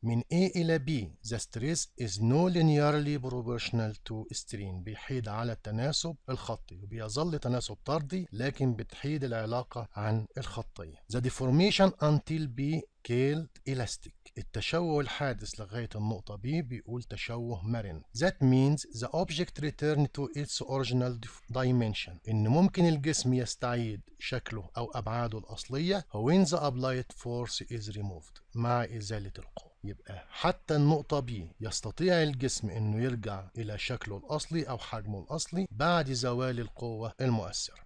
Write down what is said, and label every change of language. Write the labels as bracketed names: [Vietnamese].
[Arabic] من A إلى B [English] the stress is no linearly proportional to strain. [Arabic] بيحيد على التناسب الخطي وبيظل تناسب طردي، لكن بتحيد العلاقة عن الخطية. [English] The deformation until B killed elastic. [Arabic] التشوه الحادث لغاية النقطة B بيقول تشوه مرن. [English] That means the object return to its original dimension. [Arabic] إن ممكن الجسم يستعيد شكله أو أبعاده الأصلية [English] when the applied force is removed. [Arabic] مع إزالة القوة. يبقى حتى النقطة B يستطيع الجسم إنه يرجع إلى شكله الأصلي أو حجمه الأصلي بعد زوال القوة المؤثرة.